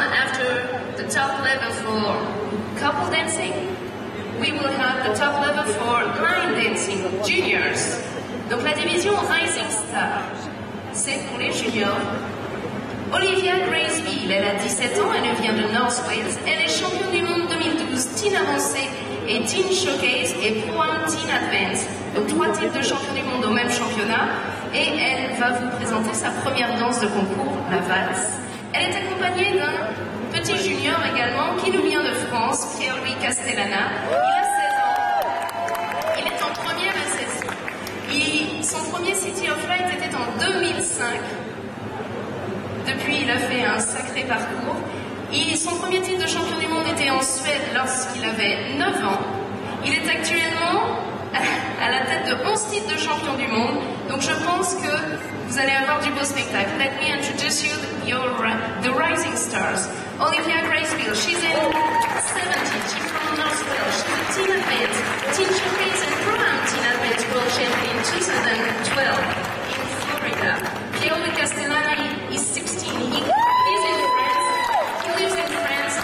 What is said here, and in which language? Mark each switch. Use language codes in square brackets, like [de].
[en] After the top level for couple dancing, we will have the top level for line dancing, juniors. [fr] Donc la division Rising Star, c'est pour les juniors. Olivia Graysville, elle a 17 ans, elle vient de North Wales. Elle est championne du monde 2012, Teen Avancé et Teen Showcase et Pro-Am Teen Advance. Donc trois titres de championne du monde au même championnat. Et elle va vous présenter sa première danse de concours, la valse. Elle est accompagnée d'un petit junior également, qui nous vient de France, Pierre-Louis Castellana. Il a 16 ans. Il est en première à 16 ans. Son premier City of Light était en 2005. Depuis, il a fait un sacré parcours. Son premier titre de champion du monde était en Suède lorsqu'il avait 9 ans. Il est actuellement à la tête de 11 titres de champion du monde. Donc je pense que vous allez avoir du beau spectacle. [en] Let me introduce you the rising stars. Olivia Graysville, she's in 70, she's from Northville. She's a teen advance, teen showcase and pro-am teen advance world champion in 2012 in Florida. Pierre Castellani is 16. He's in France. He lives in France.